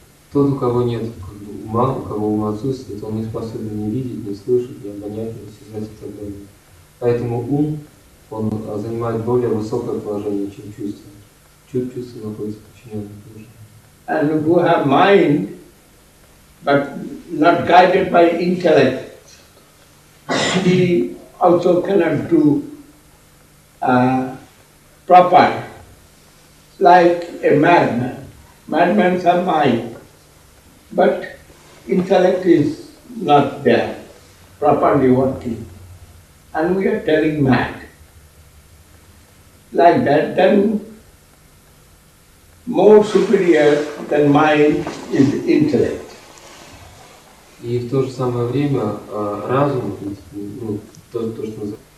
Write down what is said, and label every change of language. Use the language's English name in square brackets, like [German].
[Russian] Тот, у кого нет ума, у кого ума отсутствует, он не способен ни видеть, ни слышать, ни обонять, ни осознать и так далее. Поэтому ум, он занимает более высокое положение, чем чувство. Чувство находится подчиненным положением. [English] And who have mind, but not guided by intellect, he also cannot do proper, like a madman. Madmen have mind, but intellect is not there, properly working. And we are telling mad. Like that, then more superior than mind is intellect. [Russian] И в то же самое время разум, в принципе, ну, то, что называется.